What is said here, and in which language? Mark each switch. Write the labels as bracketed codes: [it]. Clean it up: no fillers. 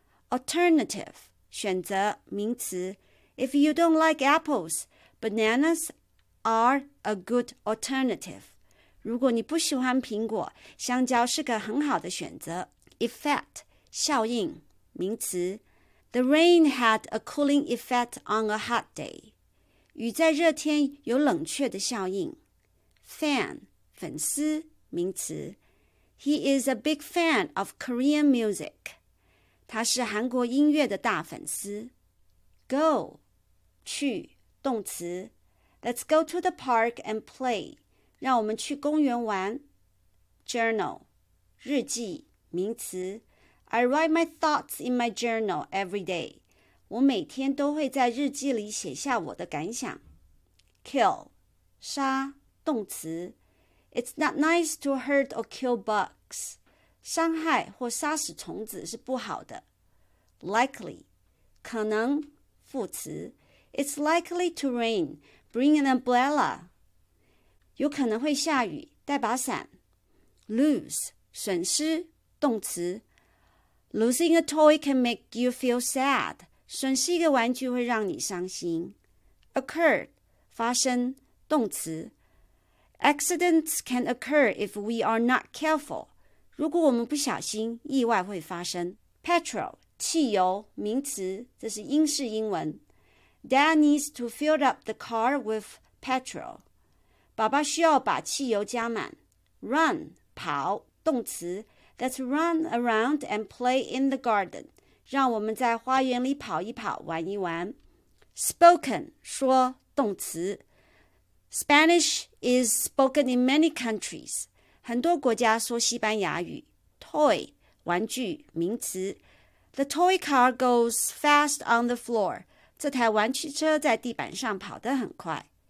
[en] Alternative, [zh] 选择名词 [en] ,if you don't like apples, bananas are a good alternative. [zh] 如果你不喜欢苹果,香蕉是个很好的选择。 [en] Effect, [zh] 效应名词 [en] ,the rain had a cooling effect on a hot day. [zh] 雨在热天有冷却的效应。 [en] Fan, [zh] 粉丝名词。 [en] He is a big fan of Korean music. [zh] 他是韩国音乐的大粉丝。 [en] Go, [zh] 去动词。 [en] Let's go to the park and play. [zh] 让我们去公园玩。Journal, 日记名词。 [en] I write my thoughts in my journal every day. [zh] 我每天都会在日记里写下我的感想。 Kill, 杀,动词。 [en] It's not nice to hurt or kill bugs. [zh] 伤害或杀死虫子是不好的。 [en] Likely, [zh] 可能,副词。 [en] It's likely to rain. Bring an umbrella. [zh] 有可能会下雨,带把伞。 Lose, 损失,动词。 [en] Losing a toy can make you feel sad. [zh] 损失一个玩具会让你伤心。 Occur, 发生,动词。 [en] Accidents can occur if we are not careful. [zh] 如果我们不小心,意外会发生。 Petrol, 汽油,名词,这是英式英文。 [en] Dad needs to fill up the car with petrol. [zh] 爸爸需要把汽油加满。Run, 跑,动词。 [en] Let's run around and play in the garden. [zh] 让我们在花园里跑一跑，玩一玩。 [en] Spoken, [zh] 说动词。 [en] Spanish is spoken in many countries. [zh] 很多国家说西班牙语。Toy, 玩具名词。 [en] The toy car goes fast on the floor. [zh] 这台玩具车在地板上跑得很快。